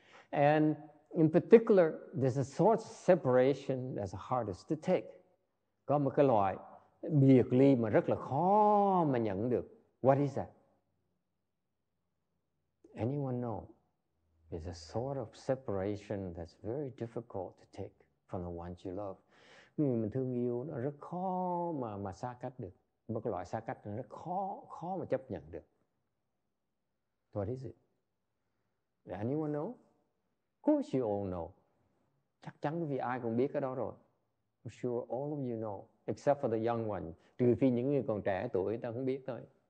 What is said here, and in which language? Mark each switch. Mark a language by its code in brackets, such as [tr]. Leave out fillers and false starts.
[en] And in particular, there's a sort of separation that's the hardest to take. [vi] Có một cái loại biệt ly mà rất là khó mà nhận được. [en] What is that? Anyone know? It's a sort of separation that's very difficult to take from the ones you love. [vi] Người mình thương yêu nó rất khó mà xa cách được. Một cái loại xa cách nó rất khó mà chấp nhận được. [en] What is it? Anyone know? Of course you all know. [vi] Chắc chắn vì ai cũng biết cái đó rồi. [en] I'm sure all of you know. Except for the young one. [vi] Trừ phi những người còn trẻ tuổi ta không biết thôi.